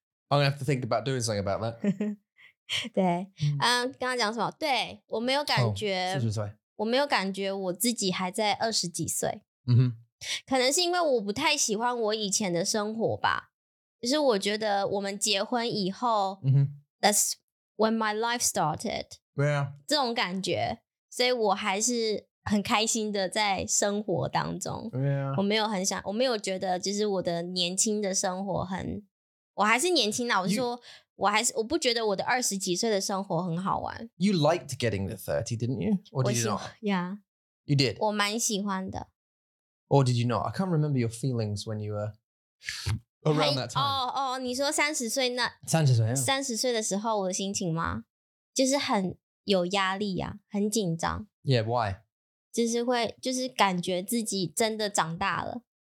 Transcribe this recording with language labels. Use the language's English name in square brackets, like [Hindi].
[English] I'm going to have to think about doing something about that. [Chinese] 对。刚刚讲什么？对，我没有感觉。四十岁。我没有感觉我自己还在二十几岁。 Mm-hmm. 可能是因为我不太喜欢我以前的生活吧。就是我觉得我们结婚以后、 mm-hmm. [English] That's when my life started. Yeah. [Chinese] 这种感觉，所以我还是很开心的在生活当中。 [English] Yeah. [Chinese] 我没有很想，我没有觉得就是我的年轻的生活很，我还是年轻啦。我说我还是，我不觉得我的二十几岁的生活很好玩。 [English] You liked getting the 30, didn't you? Or did you not? Yeah. You did? [Chinese] 我蛮喜欢的。 [English] Or did you not? I can't remember your feelings when you were around that time. [Chinese] Oh, 你说三十岁那三十岁三十岁的时候我的心情吗？就是很有压力啊，很紧张。 [English] Yeah, why? [Chinese] 就是会，就是感觉自己真的长大了。